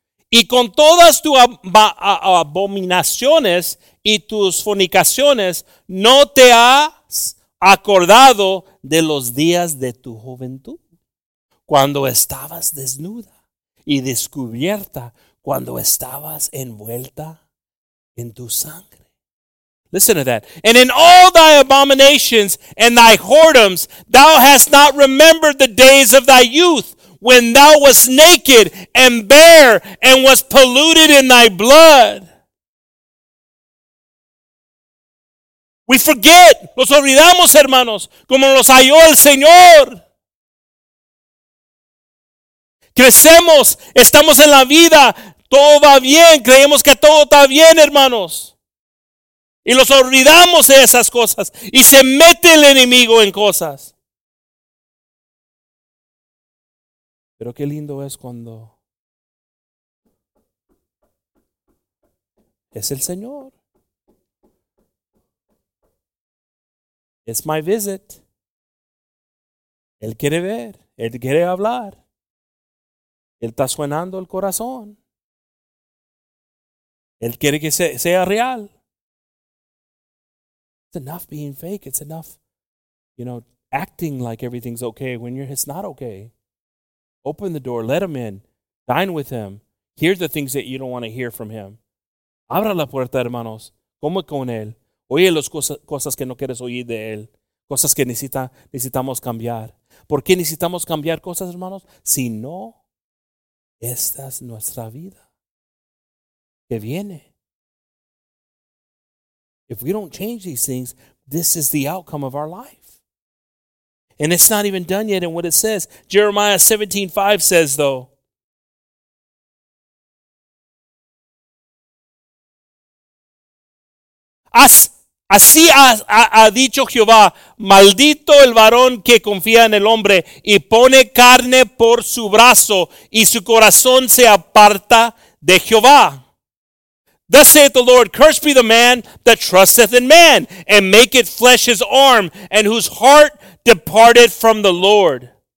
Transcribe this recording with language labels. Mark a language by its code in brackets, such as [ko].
[es] Y con todas tus abominaciones y tus fornicaciones, no te has acordado de los días de tu juventud, cuando estabas desnuda y descubierta, cuando estabas envuelta en tu sangre. [en] Listen to that. And in all thy abominations and thy whoredoms, thou hast not remembered the days of thy youth, when thou wast naked and bare and was polluted in thy blood. We forget. [es] Nos olvidamos, hermanos, como nos halló el Señor. Crecemos. Estamos en la vida. Todo va bien. Creemos que todo está bien, hermanos. Y los olvidamos de esas cosas. Y se mete el enemigo en cosas. Pero qué lindo es cuando es el Señor. [en] It's my visit. [es] Él quiere ver. Él quiere hablar. Él está suenando el corazón. Él quiere que sea real. [en] It's enough being fake. It's enough, you know, acting like everything's okay when it's not okay. Open the door. Let him in. Dine with him. Hear the things that you don't want to hear from him. [es] Abra la puerta, hermanos. Come con él. Oye las cosas que no quieres oír de él. Cosas que necesitamos cambiar. ¿Por qué necesitamos cambiar cosas, hermanos? Si no, esta es nuestra vida. Que viene. [en] If we don't change these things, This is the outcome of our life. And it's not even done yet in what it says. Jeremiah 17:5 says, though, [es] así ha dicho Jehová, maldito el varón que confía en el hombre y pone carne por su brazo y su corazón se aparta de Jehová. [en] Thus saith the Lord, cursed be the man that trusteth in man and maketh flesh his arm and whose heart departed from the Lord.